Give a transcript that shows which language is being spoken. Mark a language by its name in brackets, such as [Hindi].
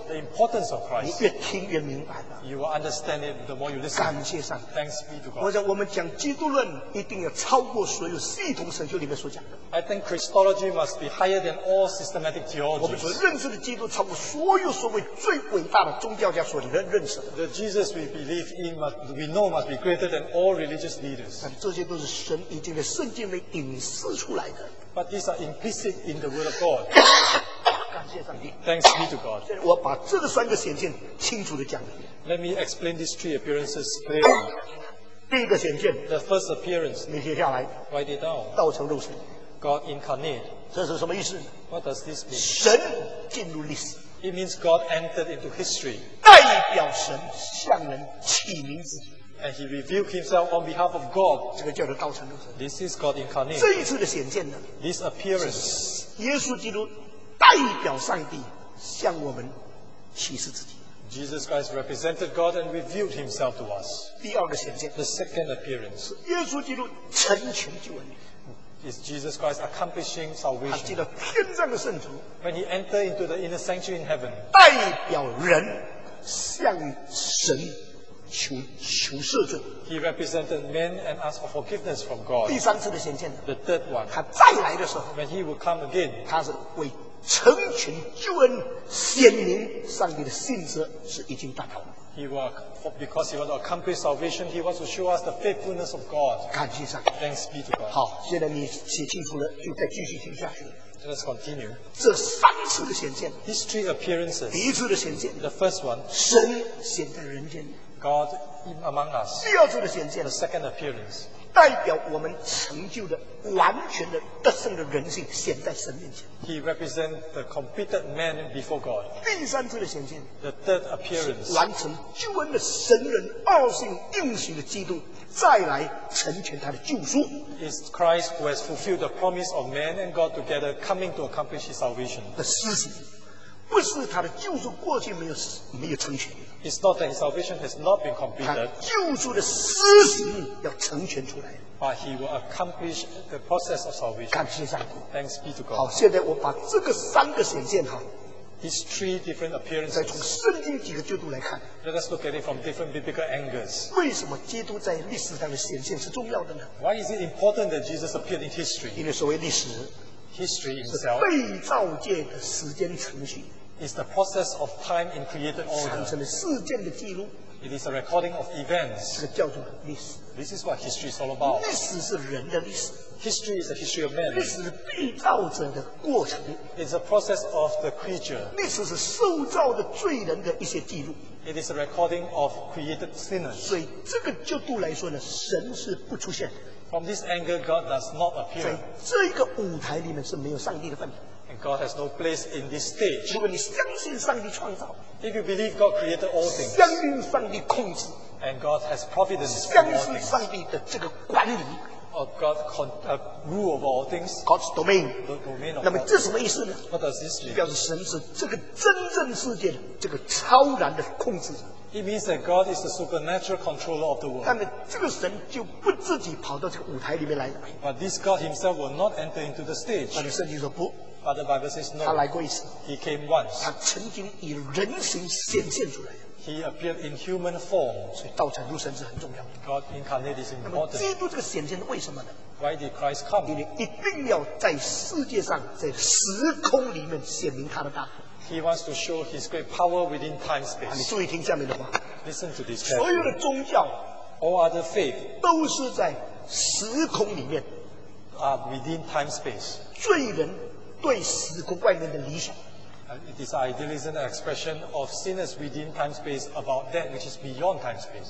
[English] The importance of Christ. [Chinese] 你越听越明白了。 [English] You will understand it the more you listen. [Chinese] 感谢上帝。 [English] Thanks be to God. [Chinese] 我想我们讲基督论一定要超过所有系统神学里面所讲的。 [English] I think Christology must be higher than all systematic theology. [Chinese] 我们所认识的基督超过所有所谓最伟大的宗教家所认识的。 [English] The Jesus we believe in must, we know must be greater than all religious leaders. [Chinese] 但这些都是神已经在圣经里隐示出来的。 [English] But these are implicit in the word of God. [Chinese] 感谢上帝。 [English] Thanks be to God. [Chinese] 我把这个三个显现清楚地讲了。 [English] Let me explain these three appearances clearly. [Chinese] 第一个显现。 [English] The first appearance. [Chinese] 你写下来。 [English] Write it down. [Chinese] 道成肉身。 [English] God incarnate. [Chinese] 这是什么意思？ [English] What does this mean? [Chinese] 神进入历史。 [English] It means God entered into history. [Chinese] 代表神向人启明自己。 [English] And he revealed himself on behalf of God. [Chinese] 这个叫做道成肉身。 [English] This is God incarnate. [Chinese] 这一次的显现呢？ [English] This appearance. [Chinese] 耶稣基督代表上帝向我们启示自己。 [English] Jesus Christ represented God and revealed himself to us. [Chinese] 第二个显现。 [English] The second appearance. [Chinese] 耶稣基督成全救恩。 [English] Is Jesus Christ accomplishing salvation? [Chinese] 他进了天上的圣徒。 [English] When he entered into the inner sanctuary in heaven. [Chinese] 代表人向神求赦罪。 [English] He represented men and asked for forgiveness from God. [Chinese] 第三次的显现。 [English] The third one. [Chinese] 他再来的时候。 [English] When he will come again. [Chinese] 他是为成全救恩显明上帝的信实是已经达到。 [English] He will, because he wants to accomplish salvation, he wants to show us the faithfulness of God. [Chinese] 感谢上帝。 [English] Thanks be to God. [Chinese] 好，现在你写清楚了，就再继续听下去。 [English] Let's continue. [Chinese] 这三次的显现。 [English] These three appearances. [Chinese] 第一次的显现。 [English] The first one. [Chinese] 神显在人间。 [English] God in among us. [Chinese] 第二次的显现 [English] ，the second appearance， [Chinese] 代表我们成就的完全的得胜的人性显在神面前。 [English] He represents the completed man before God。 [Chinese] 第三次的显现 [English] ，the third appearance， [Chinese] 完成救恩的神人奥性应许的基督。再来成全他的救赎。 [English] Is Christ who has fulfilled the promise of man and God together coming to accomplish his salvation? [Chinese] 的施行，不是他的救赎过去没有成全。 [English] It's not that his salvation has not been completed. [Chinese] 救赎的施行要成全出来。 [English] But he will accomplish the process of salvation. [Chinese] 感谢上帝。 [English] Thanks be to God. [Chinese] 好，现在我把这个三个显现哈。 [English] These three different appearances. [Chinese] 再从圣经几个角度来看。 [English] Let us look at it from different biblical angles. [Chinese] 为什么基督在历史上的显现是重要的呢？ [English] Why is it important that Jesus appeared in history? [Chinese] 因为所谓历史， [English] history itself [Chinese] 是被造界的时间程序。 [English] Is the process of time in created order. [Chinese] 产生了事件的记录。 [English] It is a recording of events. [Chinese] 这个叫做历史。 [English] This is what history is all about. [Chinese] 历史是人的历史。 [English] History is a history of man. [Chinese] 历史是被造者的过程。 [English] It's a process of the creature. [Chinese] 历史是受造的罪人的一些记录。 [English] It is a recording of created sinners. [Chinese] 所以这个角度来说呢，神是不出现的。 [English] From this angle, God does not appear. [Chinese] 在这个舞台里面是没有上帝的份。 [English] And God has no place in this stage. [Chinese] 如果你相信上帝创造， [English] If you believe God created all things, [Chinese] 相信上帝控制， [English] And God has providence for all things, [Chinese] 相信上帝的这个管理。 [English] Of God rule of all things, God's domain. The domain of [Chinese] 那么这什么意思呢？ [English] What does this mean? [Chinese] 表示神是这个真正世界的这个超然的控制者。 [English] It means that God is the supernatural controller of the world. [Chinese] 但是这个神就不自己跑到这个舞台里面来。 [English] But this God himself will not enter into the stage. [Chinese] 但是圣经说不。 [English] But the Bible says no. [Chinese] 他来过一次。 [English] He came once. [Chinese] 他曾经以人形显现出来。 [English] He appeared in human form. [Chinese] 所以道成肉身是很重要的。 [English] God incarnate is important. [Chinese] 那么基督这个显现为什么呢？ [English] Why did Christ come? [Chinese] 因为一定要在世界上，在时空里面显明他的大能。 [English] He wants to show his great power within time space. [Chinese] 你注意听下面的话。 [English] Listen to this. [Chinese] 所有的宗教 [English] ，all other faith， [Chinese] 都是在时空里面。 [English] Within time space. [Chinese] 罪人对时空外面的理想。 [English] It is idealism, an expression of sinners within time space about that which is beyond time space.